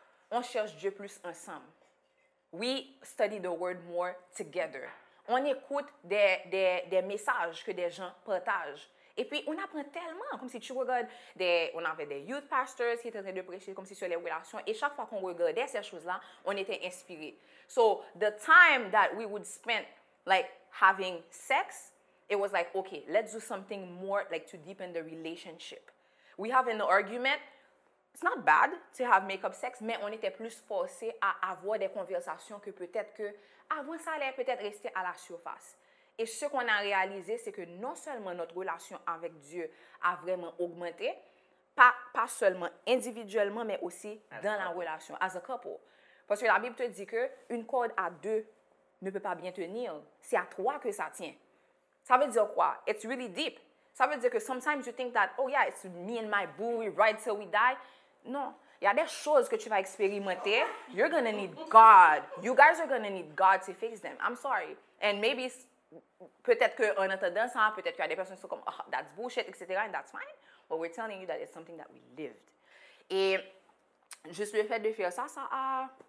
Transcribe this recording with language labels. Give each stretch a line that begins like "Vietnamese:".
French: On cherche Dieu plus ensemble.
English: We study the word more together.
French: On écoute des messages que des gens partagent. Et puis, on apprend tellement. Comme si tu regardes, on avait des youth pastors qui étaient en train de prêcher comme si sur les relations. Et chaque fois qu'on regardait ces choses-là, on était inspirés.
English: So, the time that we would spend, like, having sex, it was like, okay, let's do something more, like, to deepen the relationship. We have an argument. It's not bad to have makeup sex,
French: mais on était plus forcé à avoir des conversations que peut-être que, avant ça, allait peut-être rester à la surface. Et ce qu'on a réalisé, c'est que non seulement notre relation avec Dieu a vraiment augmenté, pas seulement individuellement, mais aussi dans la relation,
English: as a couple.
French: Parce que la Bible te dit qu'une corde à deux ne peut pas bien tenir. C'est à trois que ça tient. Ça veut dire quoi?
English: It's really deep.
French: Ça veut dire que
English: sometimes you think that, oh yeah, it's me and my boo, we ride till we die.
French: Non. Il y a des choses que tu vas expérimenter.
English: You're going to need God. You guys are going to need God to fix them. I'm sorry. And maybe,
French: peut-être qu'en attendant ça, peut-être qu'il y a des personnes qui sont comme,
English: oh, that's bullshit, etc. And that's fine. But we're telling you that it's something that we lived.
French: Et juste le fait de faire ça, ça a...